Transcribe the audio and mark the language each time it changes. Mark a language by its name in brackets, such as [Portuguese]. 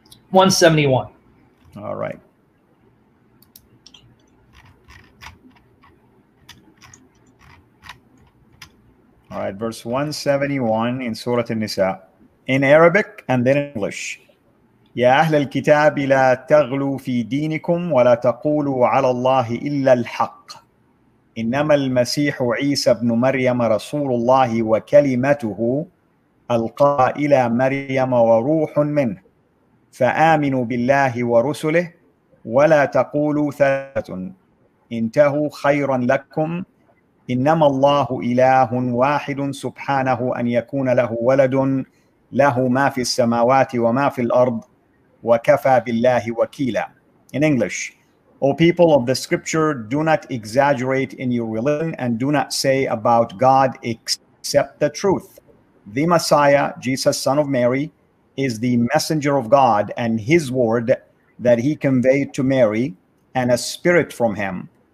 [English] 171. All right. All right, verse 171 in Surah An-Nisa. In Arabic and then in English. [Arabic] يا أهل الكتاب لا تغلوا في دينكم ولا تقولوا على الله إلا الحق إنما المسيح عيسى بن مريم رسول الله وكلمته ألقى إلى مريم وروح منه فآمنوا بالله ورسله ولا تقولوا ثلاثة انتهوا خيرا لكم إنما الله إله واحد سبحانه أن يكون له ولد له ما في السماوات وما في الأرض وكفى بالله وكيلا. [English] In English, O people of the scripture, do not exaggerate in your religion and do not say about God except the truth. The Messiah, Jesus, son of Mary, is the messenger of God and his word that he conveyed to Mary and a spirit from him.